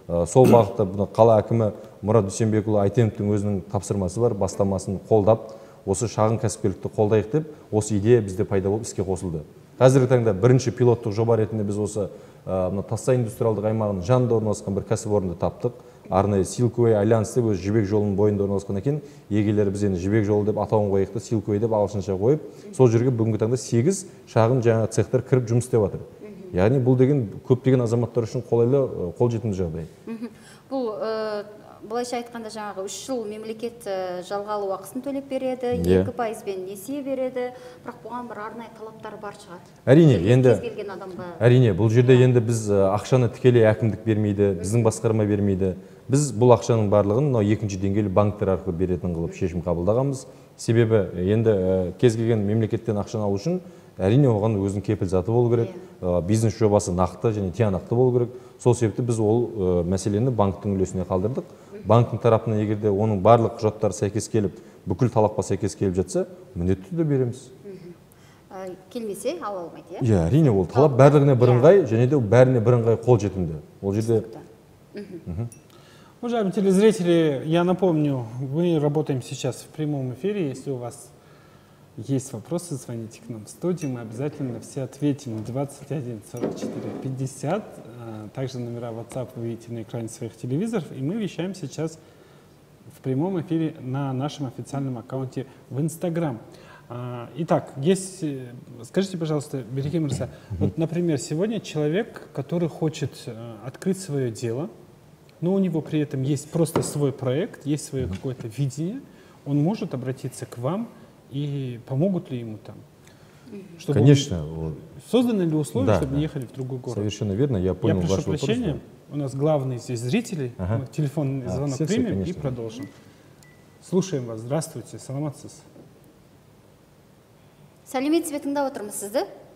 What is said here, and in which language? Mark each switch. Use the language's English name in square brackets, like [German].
[Kazakh] Сол бағытта бұны қала әкімі Мұрат Дүйсенбекұлы Айтеновтың өзінің тапсырмасы бар, бастамасын қолдап, осы шағын кәсіпкерлікті қолдайық деп, осы идея бізде пайда болып іске қосылды. Қазіргі таңда бірінші пилоттық жоба ретінде біз осы мына Тассай индустриалдық аймағының жанында орналасқан бір кәсіпорынды таптық. Арнайы Silkway Alliance деп өз жібек жолының бойында орналасқан екен. Егелері біз енді жібек жолы деп атауын қойдық, Silkway деп ағылшынша қойып, сол жерге бүгінгі таңда 8 шағын жаңа цехтер кіріп жұмыс істеп жатыр. Яғни бұл деген көптеген азаматтар үшін қолайлы қол жетімді жағдай. Бұл былайша айтқанда жаңағы 3 жыл мемлекет жалға алу ақысын төлеп береді, 2%-мен несие береді, бірақ бұған бір арнайы талаптар бар шығар. Әрине, енді әрине, бұл жерде енді біз ақшаны тікелей әкімдік бермейді, біздің басқарма бермейді. Біз бұл ақшаның барлығын мынау екінші деңгейлі банктер арқылы беретін қылып шешім қабылдағанбыз. Себебі енді кез келген мемлекеттен ақшаны алу үшін әрине оған өзінің кепілзаты болу керек. Бизнес жобасы нақты және тиянақты болу керек. Сол себепті біз ол мәселені банктің үлесіне қалдырдық. Банктің тарапынан егер де оның барлық құжаттары сәйкес келіп, бүкіл талапқа сәйкес келіп жатса, міндетті түрде береміз. Келмесе ала алмайды, иә? Иә, әрине, ол талап барлығына бірыңғай, және де бәріне бірыңғай қол жетімді. Ол жерде [Russian] Уважаемые телезрители, я напомню, мы работаем сейчас в прямом эфире. Если у вас есть вопросы, звоните к нам в студию, мы обязательно все ответим. 21 44 50, также номера WhatsApp вы видите на экране своих телевизоров. И мы вещаем сейчас в прямом эфире на нашем официальном аккаунте в Instagram. Итак, есть, скажите, пожалуйста, Берегим Рыса, вот, например, сегодня человек, который хочет открыть свое дело, но у него при этом есть просто свой проект, есть свое какое-то видение, он может обратиться к вам, и помогут ли ему там? Чтобы конечно. Созданы ли условия, да, чтобы ехали в другой город? Совершенно верно, я понял ваш вопрос. Я прошу прощения, у нас главный здесь зритель, мы телефонный звонок примем и продолжим. Слушаем вас, здравствуйте, [Kazakh] саламат сіз. Сәлемет сізге тыңдап отырмыз сізді?